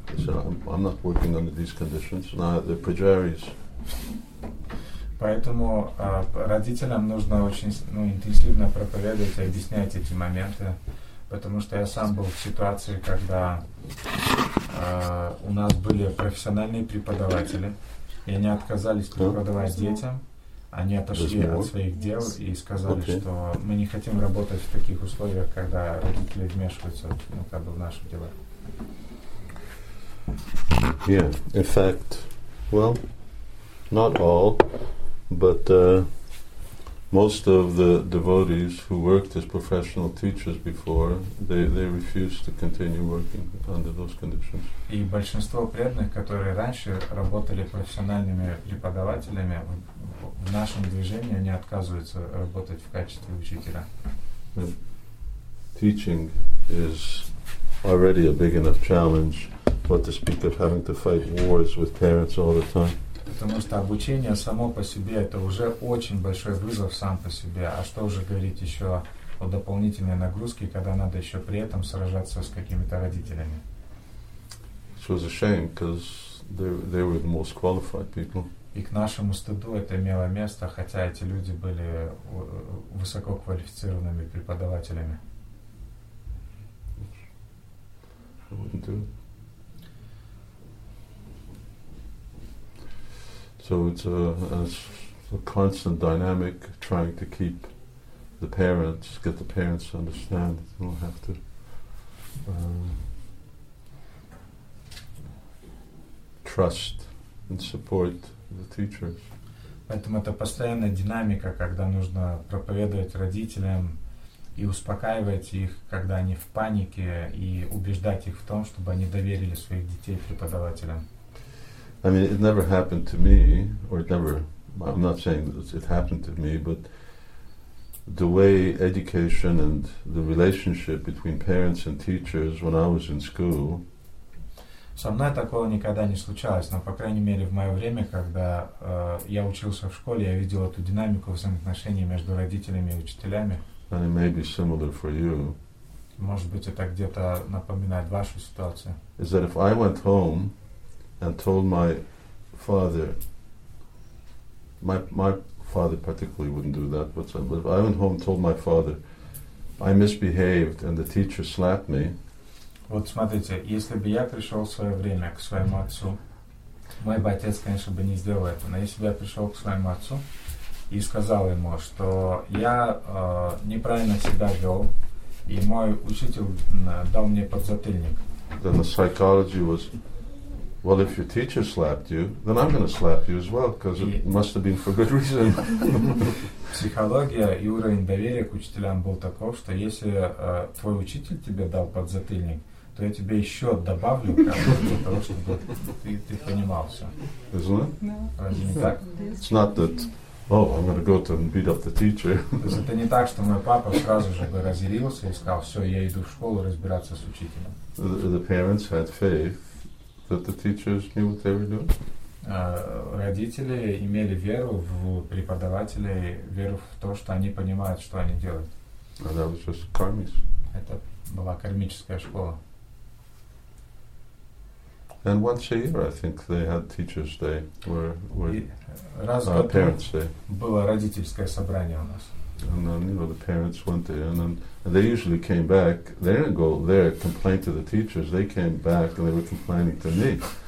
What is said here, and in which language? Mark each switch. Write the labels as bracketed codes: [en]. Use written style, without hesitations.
[en] They said, I'm not working under these conditions. Now they're pregiaries. [ru] Поэтому родителям нужно очень интенсивно проповедовать и объяснять эти моменты, потому что я сам был в ситуации, когда у нас были профессиональные преподаватели, и они отказались преподавать детям. Они отошли от своих дел и сказали, что мы не хотим работать в таких условиях, когда родители вмешиваются в наши дела. [en] Yeah, in fact, well, not all, but most of the devotees who worked as professional teachers before, they refused to continue working under those conditions. [ru] И большинство преданных, которые раньше работали профессиональными преподавателями, в нашем движении они отказываются работать в качестве учителя. [en] Teaching is already a big enough challenge, what to speak of having to fight wars with parents all the time. [ru] Потому что обучение само по себе это уже очень большой вызов сам по себе. А что уже говорить еще о дополнительной нагрузке, когда надо еще при этом сражаться с какими-то родителями. [en] It was a shame, because they were the most qualified people. [ru] И к нашему стыду это имело место, хотя эти люди были высококвалифицированными преподавателями. [en] So it's a constant dynamic trying to keep the parents, get the parents to understand that they don't have to trust and support the teachers. [ru] Поэтому это постоянная динамика, когда нужно проповедовать родителям и успокаивать их, когда они в панике, и убеждать их в том, чтобы они доверили своих детей преподавателям. [en] I mean, it never happened to me, or it never, I'm not saying that it happened to me, but the way education and the relationship between parents and teachers when I was in school. [ru] Со мной такого никогда не случалось, но, по крайней мере, в мое время, когда я учился в школе, я видел эту динамику взаимоотношений между родителями и учителями. [en] And it may be similar for you. [ru] Может быть, это где-то напоминает вашу ситуацию. [en] Is that if I went home and told my father, my father particularly wouldn't do that, but if I went home and told my father, I misbehaved and the teacher slapped me. [ru] Вот смотрите, если бы я пришел в свое время к своему отцу, мой бы отец, конечно, бы не сделал это, но если бы я пришел к своему отцу и сказал ему, что я неправильно себя вел, и мой учитель дал мне подзатыльник. [en] Then the psychology was, well, if your teacher slapped you, then I'm going to slap you as well, because it must have been for good reason. [ru] Психология и уровень доверия к учителям был таков, что если твой учитель тебе дал подзатыльник, то я тебе еще добавлю, для того, чтобы ты понимал все. [en] Isn't it? [ru] Разве не так? [en] It's not that, oh, I'm going to go to and beat up the teacher. [ru] Это не так, что мой папа сразу же бы разъярился и сказал, все, я иду в школу разбираться с учителем. [en] The parents had faith that the teachers knew what they were doing. [ru] Родители имели веру в преподавателей, веру в то, что они понимают, что они делают. [en] And that was just karmic. [ru] Это была кармическая школа. [en] And once a year, I think they had teachers' day, parents' day. [ru] Было родительское собрание у нас. [en] And then, the parents went there, and they usually came back. They didn't go there, complain to the teachers. They came back, and they were complaining to me.